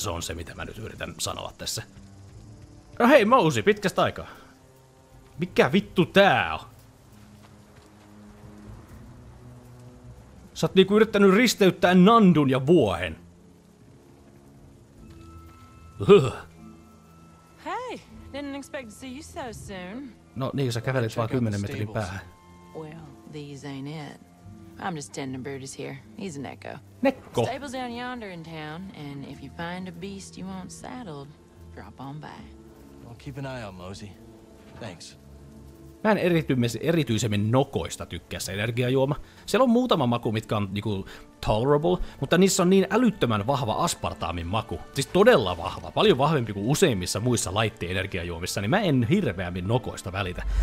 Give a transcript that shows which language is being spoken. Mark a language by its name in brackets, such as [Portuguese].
[Finnish] Se on se, mitä mä nyt yritän sanoa tässä. No hei, Mousi, pitkästä aikaa. Mikä vittu tää on? Sä oot niinku yrittänyt risteyttää Nandun ja Vuohen. [English] Hei, didn't expect to see you so soon. [Finnish] No niin, sä kävelit vaan 10 metrin päähän. [English] Well, these ain't it. I'm just tending Brutus here. He's an echo. Necko. Stables down yonder in town, and if you find a beast you want saddled, drop on by. I'll keep an eye on Mosey. Thanks. [Finnish] Mä en erityisemmin nokoista tykkäässä energiajuoma. Siellä on muutama maku, mitkä on niinku tolerable, mutta niissä on niin älyttömän vahva aspartaamin maku. Siis todella vahva, paljon vahvempi kuin useimmissa muissa laitteenergiajuomissa, niin mä en hirveämmin nokoista välitä.